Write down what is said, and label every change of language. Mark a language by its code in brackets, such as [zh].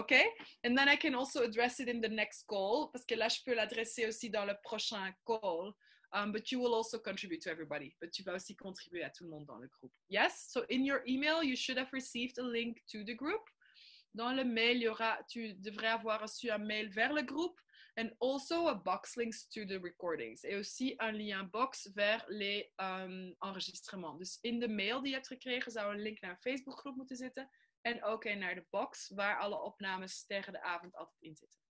[en] Okay? And then I can also address it in the next call. [fr] Parce que là, je peux l'adresser aussi dans le prochain call. [en] But you will also contribute to everybody. [fr] But tu vas aussi contribuer à tout le monde dans le groupe. [en] Yes? So in your email, you should have received a link to the group. [fr] Dans le mail, tu devrais avoir reçu un mail vers le groupe. [en] And also a box links to the recordings. [fr] Et aussi un lien box vers les enregistrements. [nl] Dus in de mail die je hebt gekregen, zou een link naar een Facebookgroep moeten zitten. En ook een naar de box, waar alle opnames tegen de avond altijd in zitten.